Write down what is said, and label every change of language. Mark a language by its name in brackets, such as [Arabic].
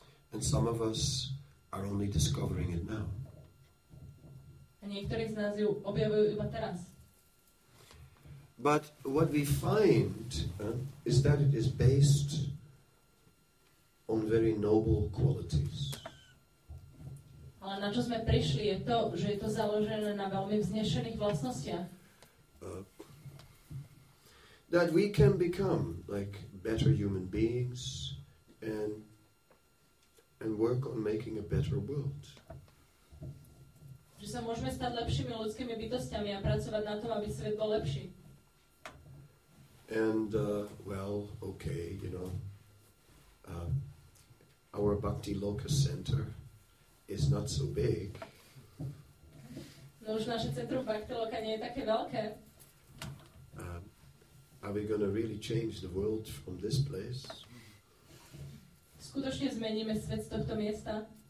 [English] And some of us are only discovering it now. [Slovak] A niektorí z nás ju objavujú iba teraz. [English] But what we find is that it is based on very noble qualities. [Slovak] Ale na čo sme prišli je to, že je to založené na veľmi vznešených vlastnostiach. [English] That we can become like better human beings and work on making a better world. [Slovak] Že sa môžeme stať lepšími ľudskými bytostiami a pracovať na tom, aby svet bol lepší. [English] And, well, okay, you know, our Bhakti Loka Center is not so big. [Slovak] No už naše centrum Bhakti Loka nie je také veľké. [English] Are we going to really change the world from this place? [Slovak] Skutočne zmeníme svet z tohto miesta?